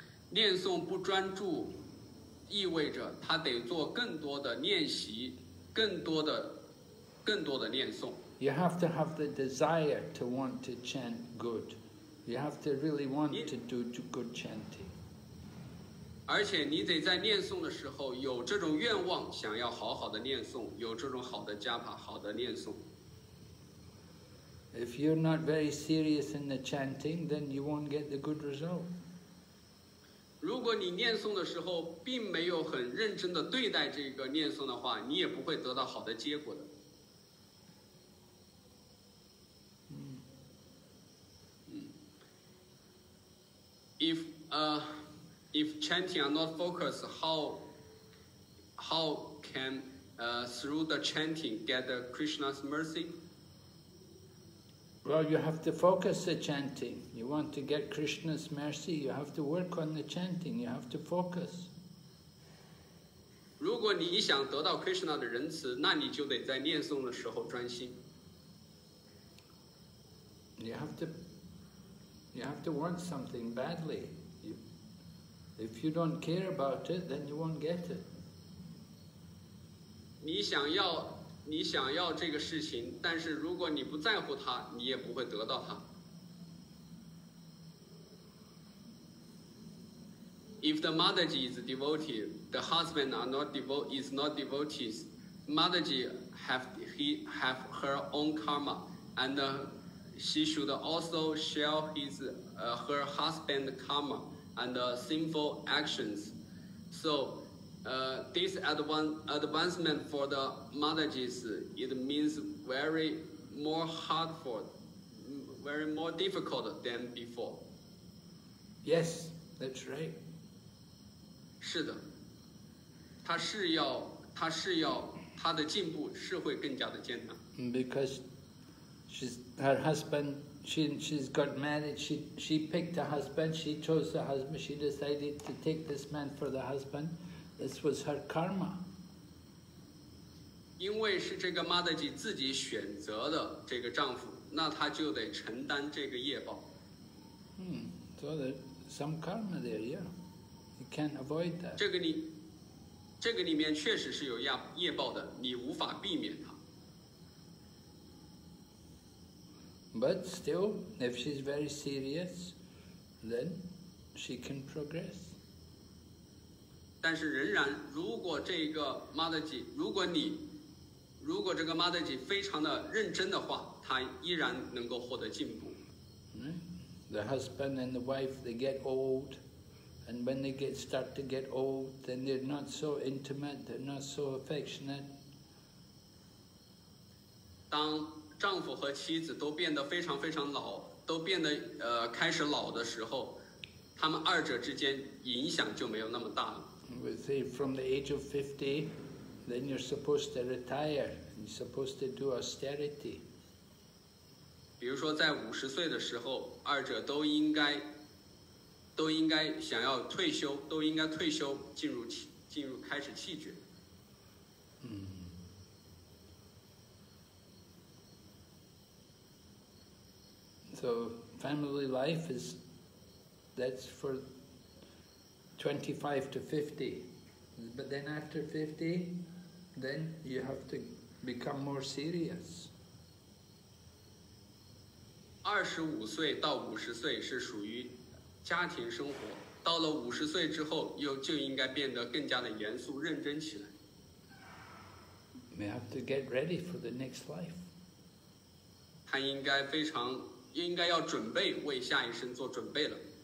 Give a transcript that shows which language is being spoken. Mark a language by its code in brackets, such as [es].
[zh] 念诵不专注，意味着他得做更多的练习，更多的念诵。 [en] You have to have the desire to want to chant good. You have to really want to do good chanting. [zh] 而且你得在念诵的时候有这种愿望，想要好好的念诵，有这种好的japa，好的念诵。 [en] If you're not very serious in the chanting, then you won't get the good result. [zh] 如果你念诵的时候并没有很认真地对待这个念诵的话，你也不会得到好的结果的。 [en] If chanting are not focused, how can through the chanting get the Krishna's mercy? Well, you have to focus the chanting. You want to get Krishna's mercy, you have to work on the chanting, you have to focus. [zh] 如果你想得到 Krishna 的仁慈，那你就得在念诵的时候专心。 [en] You have to want something badly. If you don't care about it, then you won't get it. [zh] 你想要这个事情，但是如果你不在乎它，你也不会得到它。 [en] If the Mataji is devotee, the husband are not devote, is not devotees. Mataji have her own karma, and she should also share his her husband karma and sinful actions. So. This advancement for the Matajis, it means very more difficult than before. Yes, that's right. [zh] 是的，他是要他的进步是会更加的艰难。 [en] Because she's got married, she picked a husband, she chose a husband, she decided to take this man for the husband. This was her karma. [zh] 因为是这个 Mataji 自己选择的这个丈夫，那她就得承担这个业报。 [en] So there's some karma there, yeah. You can't avoid that. [zh] 这个里面确实是有业报的，你无法避免它。 [en] But still, if she's very serious, then she can progress. [zh] 但是仍然，如果这个 Mataji， 如果这个 Mataji 非常的认真的话，他依然能够获得进步。 [en] The husband and the wife they get old, and when they start to get old, then they're not so intimate, they're not so affectionate. [zh] 当丈夫和妻子都变得非常非常老，都变得开始老的时候，他们二者之间影响就没有那么大了。 [en] We say from the age of 50, then you're supposed to retire. You're supposed to do austerity. [zh] 比如说在50岁的时候，二者都应该想要退休，都应该退休，进入开始弃绝。 [en] So family life is, that's for 25 to 50, but then after 50, then you have to become more serious. [zh] 25岁到50岁是属于家庭生活，到了50岁之后又就应该变得更加的严肃认真起来。 [en] We have to get ready for the next life. [zh] 他应该要准备为下一生做准备了。